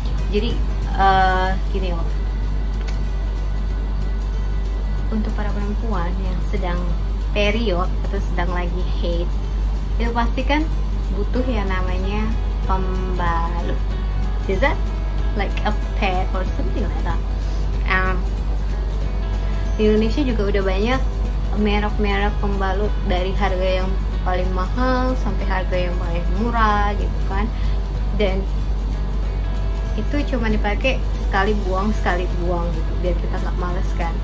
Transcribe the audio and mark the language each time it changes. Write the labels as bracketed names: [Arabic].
[Indonesian] Jadi gini loh, untuk para perempuan yang sedang period atau sedang lagi haid, itu pasti kan butuh yang namanya pembalut. [English] Is that like a pad or something like that? [Indonesian] Di Indonesia juga udah banyak merek-merek pembalut dari harga yang paling mahal sampai harga yang paling murah gitu kan. Dan itu cuma dipakai sekali buang gitu biar kita nggak males kan.